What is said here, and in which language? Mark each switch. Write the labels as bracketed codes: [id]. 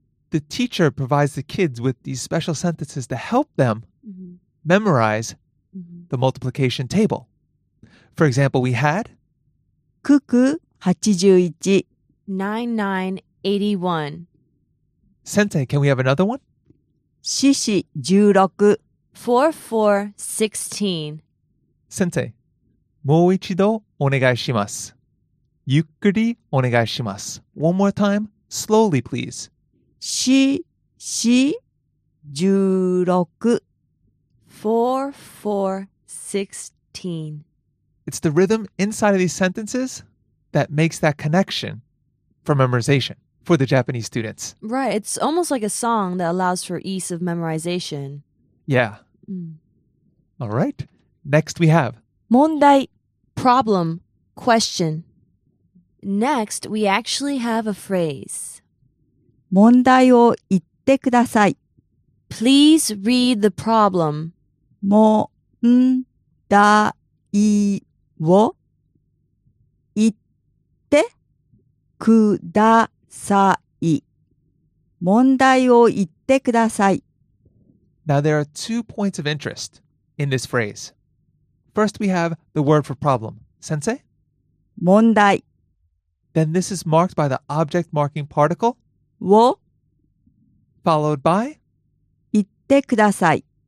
[en] The teacher provides the kids with these special sentences to help them mm-hmm. memorize mm-hmm. the multiplication table. For example, we had [ja] Kuku 81 9981 [en] Sensei, can we have another one? [ja] Shishi 16 4416 Sensei, もう一度お願いします。ゆっくりお願いします。 [en] One more time, slowly please. [ja] し、し、十六。 4416 [en] It's the rhythm inside of these sentences that makes that connection for memorization for the Japanese students. Right, it's almost like a song that allows for ease of memorization. Yeah. Mm. All right, next we have [ja] 問題 [en] Problem, question. Next, we actually have a phrase. [ja] 問題を言ってください。 Please read the problem. 問題を言ってください。問題を言ってください。 [en] Now there are two points of interest in this phrase. First we have the word for problem. Sensei? [ja] 問題。 [en] Then this is marked by the object marking particle. [ja] を [en] followed by [ja] 言ってください